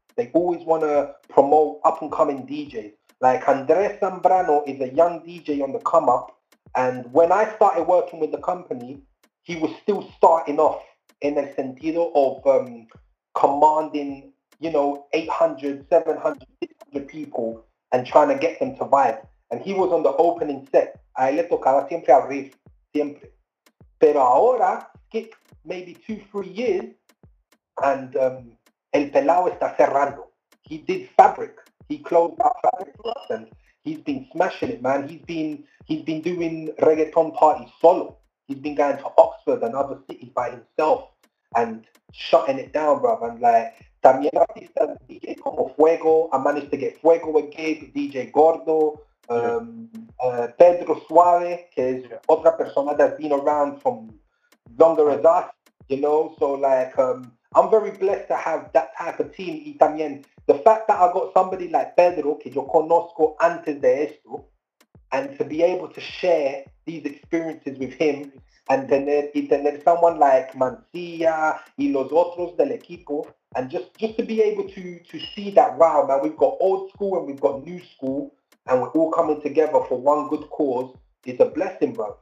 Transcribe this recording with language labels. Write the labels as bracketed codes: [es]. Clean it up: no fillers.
[en] They always want to promote up-and-coming DJs. Like, Andres Zambrano is a young DJ on the come-up, and when I started working with the company, he was still starting off in a sentido of commanding, you know, 800, 700, 600 people and trying to get them to vibe. And he was on the opening set. [es] I le tocaba siempre al riff, siempre. Pero ahora, [en] skip maybe 2-3 years, and El Pelao [es] está cerrando. [en] He did Fabric. He closed out Fabric, and he's been smashing it, man. He's been doing reggaeton parties solo. He's been going to Oxford and other cities by himself and shutting it down, bro. And like, [es] también artistas DJ como Fuego. [en] I managed to get Fuego a gig, DJ Gordo. Pedro Suárez, [es] que es otra persona [en] that's been around from longer as us, you know. So like, I'm very blessed to have that type of team. [es] Y también, [en] the fact that I got somebody like Pedro, [es] que yo conozco antes de esto, [en] and to be able to share these experiences with him, and tener someone like Mancilla [es] y los otros del equipo, [en] and just to be able to see that, wow, man, we've got old school and we've got new school, and we're all coming together for one good cause, it's a blessing, bro.